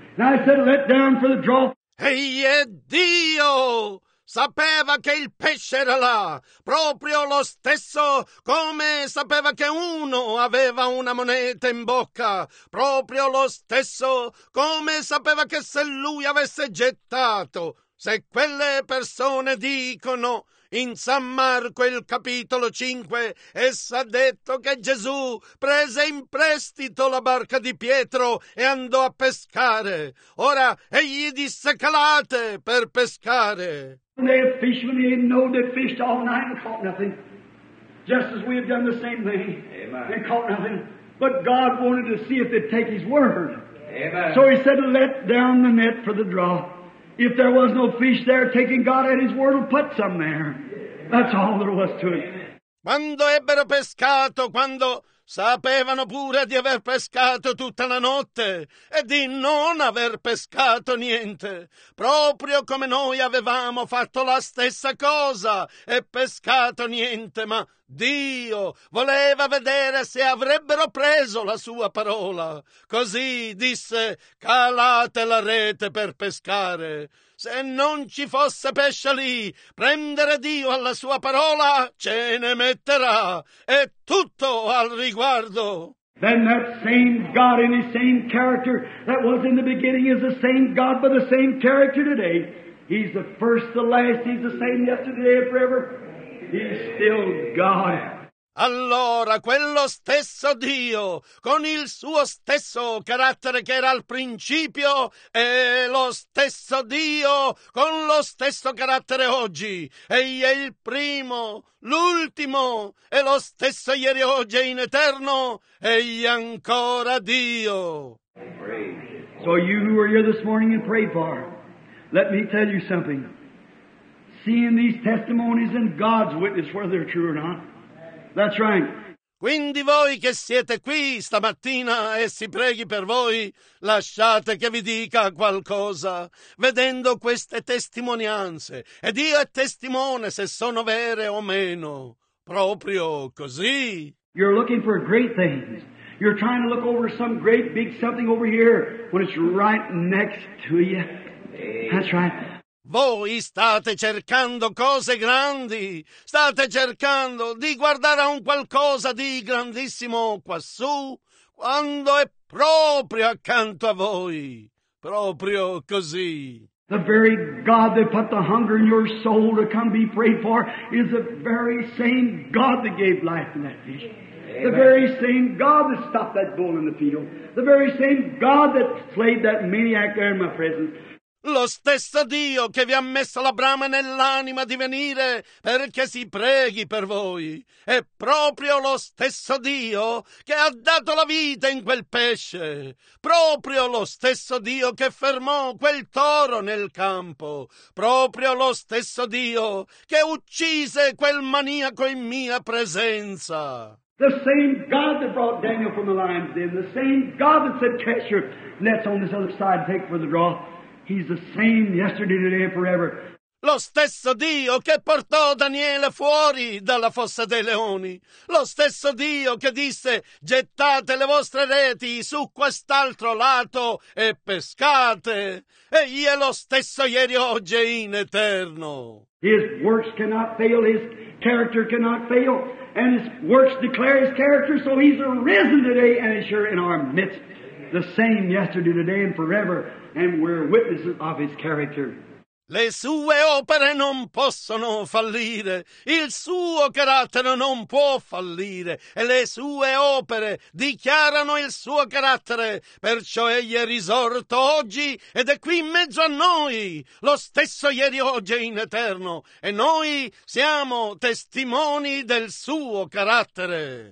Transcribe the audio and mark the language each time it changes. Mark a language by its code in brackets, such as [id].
[en] And I said, let down for the draw. [it] Hey, Dio! Sapeva che il pesce era là, proprio lo stesso come sapeva che uno aveva una moneta in bocca, proprio lo stesso come sapeva che se lui avesse gettato, Se quelle persone dicono in San Marco il capitolo 5, essa ha detto che Gesù prese in prestito la barca di Pietro e andò a pescare. Ora egli disse calate per pescare. [en] They had fishermen, they didn't know they fished all night and caught nothing. Just as we had done the same thing. Amen. They caught nothing. But God wanted to see if they'd take his word. Amen. So he said, let down the net for the draw. If there was no fish there, taking God at his word, we'll put some there. That's all there was to it. [it] Quando ebbero pescato, quando sapevano pure di aver pescato tutta la notte e di non aver pescato niente, proprio come noi avevamo fatto la stessa cosa e pescato niente, ma Dio voleva vedere se avrebbero preso la sua parola. Così disse, calate la rete per pescare. Se non ci fosse pesce lì, prendere Dio alla sua parola, ce ne metterà. È tutto al riguardo. [en] Then that same God in his same character that was in the beginning is the same God but the same character today. He's the first, the last, he's the same yesterday and forever. He's still God. [it] Allora, quello stesso Dio, con il suo stesso carattere che era al principio, è lo stesso Dio con lo stesso carattere oggi. Egli è il primo, l'ultimo, è lo stesso ieri, oggi e in eterno, egli è ancora Dio. [en] So you who are here this morning and pray for, let me tell you something. Seeing these testimonies and God's witness, whether they're true or not, that's right. [it] Quindi voi che siete qui stamattina e si preghi per voi, lasciate che vi dica qualcosa. Vedendo queste testimonianze, e Dio è testimone se sono vere o meno. Proprio così. [en] You're looking for great things. You're trying to look over some great big something over here when it's right next to you. That's right. [it] Voi state cercando cose grandi, state cercando di guardare a un qualcosa di grandissimo quassù, quando è proprio accanto a voi, proprio così. [en] The very God that put the hunger in your soul to come be prayed for is the very same God that gave life in that fish. Amen. The very same God that stopped that bull in the field. The very same God that slayed that maniac there in my presence. [it] Lo stesso Dio che vi ha messo la brama nell'anima di venire perché si preghi per voi è proprio lo stesso Dio che ha dato la vita in quel pesce, proprio lo stesso Dio che fermò quel toro nel campo, proprio lo stesso Dio che uccise quel maniaco in mia presenza. [en] The same God that brought Daniel from the lion's den, the same God that said cast your nets on this other side, take for the draw. He's the same yesterday, today, and forever. [it] Lo stesso Dio che portò Daniele fuori dalla fossa dei leoni. Lo stesso Dio che disse, gettate le vostre reti su quest'altro lato e pescate. Egli è lo stesso ieri, oggi e in eterno. [en] His works cannot fail, his character cannot fail. And his works declare his character, so he's arisen today and is here in our midst. The same yesterday, today, and forever. And we're witnesses of his character. [it] Le sue opere non possono fallire, il suo carattere non può fallire, e le sue opere dichiarano il suo carattere, perciò egli è risorto oggi ed è qui in mezzo a noi, lo stesso ieri, oggi e in eterno, e noi siamo testimoni del suo carattere.